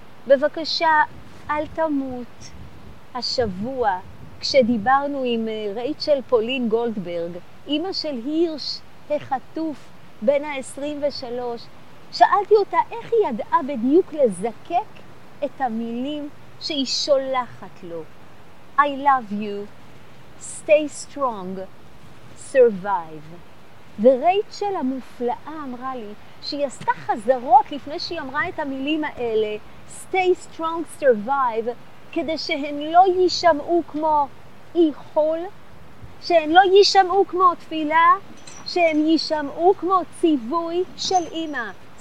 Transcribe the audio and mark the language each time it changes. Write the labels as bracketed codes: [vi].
[he] בבקשה, אל תמות. השבוע, כשדיברנו עם רייצ'ל פולין גולדברג, אמא של הירש החטוף בן ה-23, שאלתי אותה איך היא ידעה בדיוק לזקק את המילים שהיא שולחת לו. [en] I love you, stay strong, survive. [he] ורייצ'ל המופלאה אמרה לי שהיא עשתה חזרות לפני שהיא אמרה את המילים האלה, [en] stay strong, survive, [he] כדי שהן לא יישמעו כמו איחול, שהן לא יישמעו כמו תפילה, שהן יישמעו כמו ציווי של אמא.